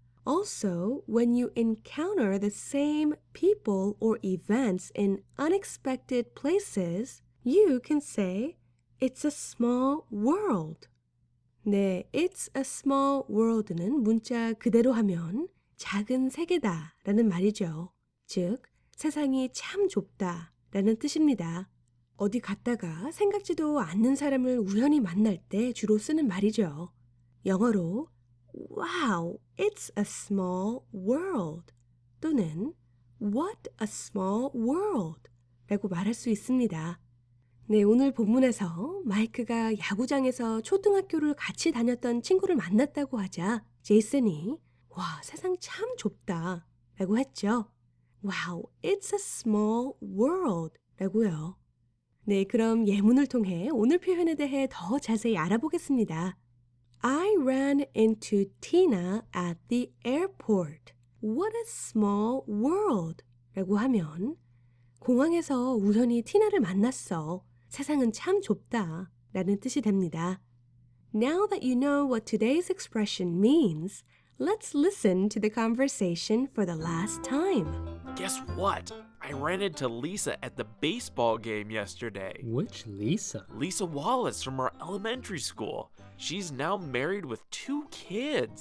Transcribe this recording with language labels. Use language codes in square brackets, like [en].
[en] Also, when you encounter the same people or events in unexpected places, you can say it's a small world. 네, it's a small world는 [ko] 문자 그대로 하면 작은 세계다라는 말이죠. 즉, 세상이 참 좁다라는 뜻입니다. 어디 갔다가 생각지도 않는 사람을 우연히 만날 때 주로 쓰는 말이죠. 영어로 [en] Wow, it's a small world [ko] 또는 [en] What a small world [ko] 라고 말할 수 있습니다. 네, 오늘 본문에서 마이크가 야구장에서 초등학교를 같이 다녔던 친구를 만났다고 하자 제이슨이 와, 세상 참 좁다 라고 했죠. [en] Wow, it's a small world [ko] 라고요. 네, 그럼 예문을 통해 오늘 표현에 대해 더 자세히 알아보겠습니다. [en] I ran into Tina at the airport. What a small world! [ko] 라고 하면 공항에서 우연히 티나를 만났어. 세상은 참 좁다. 라는 뜻이 됩니다. [en] Now that you know what today's expression means, let's listen to the conversation for the last time. Guess what? I ran into Lisa at the baseball game yesterday. Which Lisa? Lisa Wallace from our elementary school. She's now married with two kids.